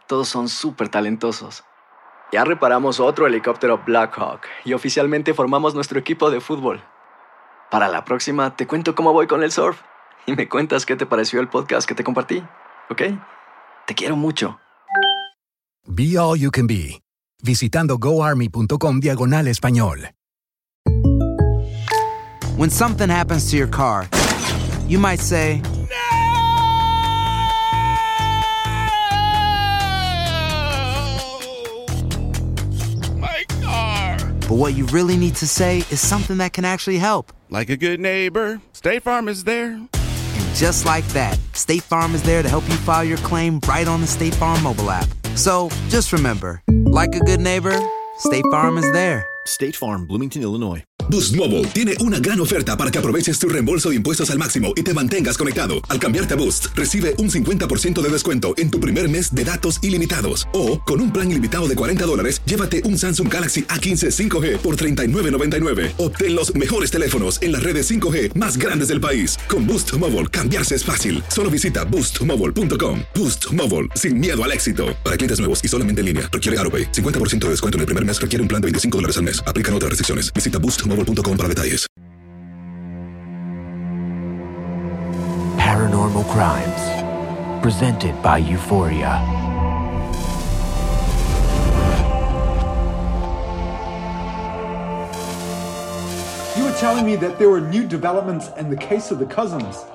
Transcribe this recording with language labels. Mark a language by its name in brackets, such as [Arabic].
[Spanish] Todos son súper talentosos. Ya reparamos otro helicóptero Black Hawk y oficialmente formamos nuestro equipo de fútbol. Para la próxima, te cuento cómo voy con el surf y me cuentas qué te pareció el podcast que te compartí. ¿Ok? Te quiero mucho. [English] Be all you can be. [Spanish] Visitando goarmy.com/español. [English] When something happens to your car, you might say, "No!" My car! But what you really need to say is something that can actually help. Like a good neighbor, State Farm is there. And just like that, State Farm is there to help you file your claim right on the State Farm mobile app. So, just remember, like a good neighbor, State Farm is there. State Farm, Bloomington, Illinois. [Spanish] Boost Mobile tiene una gran oferta para que aproveches tu reembolso de impuestos al máximo y te mantengas conectado. Al cambiarte a Boost, recibe un 50% de descuento en tu primer mes de datos ilimitados. O, con un plan ilimitado de $40, llévate un Samsung Galaxy A15 5G por $39.99. Obtén los mejores teléfonos en las redes 5G más grandes del país. Con Boost Mobile, cambiarse es fácil. Solo visita BoostMobile.com. Boost Mobile, sin miedo al éxito. Para clientes nuevos y solamente en línea, requiere AutoPay. 50% de descuento en el primer mes requiere un plan de $25 al mes. Aplican otras restricciones. Visita Boost Mobile.com para detalles. [English] Paranormal Crimes, presented by Euphoria. You were telling me that there were new developments in the case of the cousins.